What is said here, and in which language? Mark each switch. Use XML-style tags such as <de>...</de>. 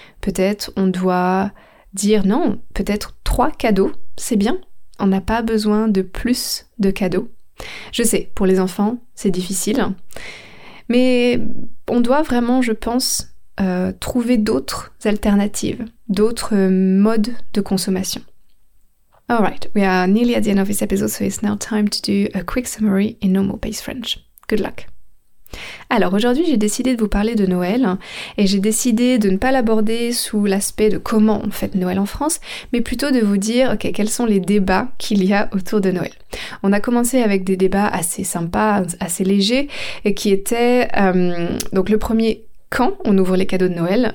<fr>Peut-être on doit dire non, peut-être 3 cadeaux, c'est bien. On n'a pas besoin de plus de cadeaux. Je sais, pour les enfants, c'est difficile. Mais on doit vraiment, je pense, trouver d'autres alternatives, d'autres modes de consommation.</fr> <en>Alright, we are nearly at the end of this episode, so it's now time to do a quick summary in normal pace French. Good luck.</en> <fr>Alors aujourd'hui, j'ai décidé de vous parler de Noël et j'ai décidé de ne pas l'aborder sous l'aspect de comment on fête Noël en France, mais plutôt de vous dire okay, quels sont les débats qu'il y a autour de Noël. On a commencé avec des débats assez sympas, assez légers, et qui étaient donc le premier, quand on ouvre les cadeaux de Noël.</fr>